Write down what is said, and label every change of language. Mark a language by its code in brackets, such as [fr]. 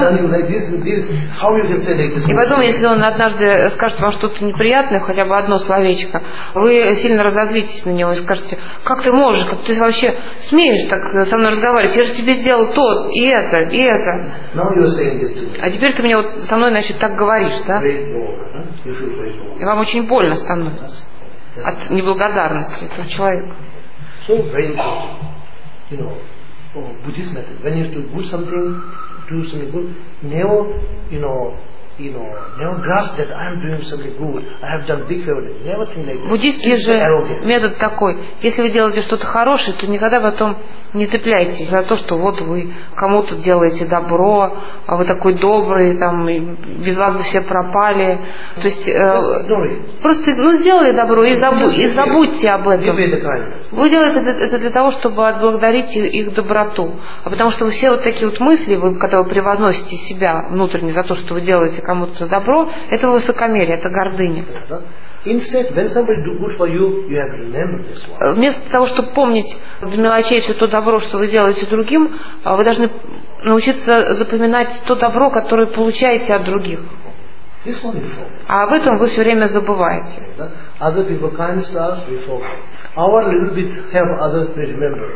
[ru] И потом, если он однажды скажет вам что-то неприятное, хотя бы одно словечко, вы сильно разозлитесь на него и скажете: как ты можешь, как ты вообще смеешь так со мной разговаривать? Я же тебе сделал то, и это, и это. А теперь ты мне вот со мной, значит, так говоришь, да? И вам очень больно становится от неблагодарности этого человека. [en] So very important, you know, Buddhist method. When you do good something, do something good, never grasp that I'm doing something good. I have done big favor. Never think like that. [ru] Буддийский же метод такой: если вы делаете что-то хорошее, то никогда потом не цепляйтесь за то, что вот вы кому-то делаете добро, а вы такой добрый, там без вас бы все пропали. То есть просто сделали добро и забудьте об этом. Вы делаете это для того, чтобы отблагодарить их доброту. А потому что все вот такие вот мысли, вы, когда вы превозносите себя внутренне за то, что вы делаете кому-то добро, это высокомерие, это гордыня. [en] Instead, when somebody do good for you, you have to remember this one. [ru] Вместо того, чтобы помнить до мелочей все то добро, что вы делаете другим, вы должны научиться запоминать то добро, которое получаете от других. [en] This one you forget. [ru] А об этом вы все время забываете. [en] Other people kindness to us, we forget. Our little bit help others, we remember.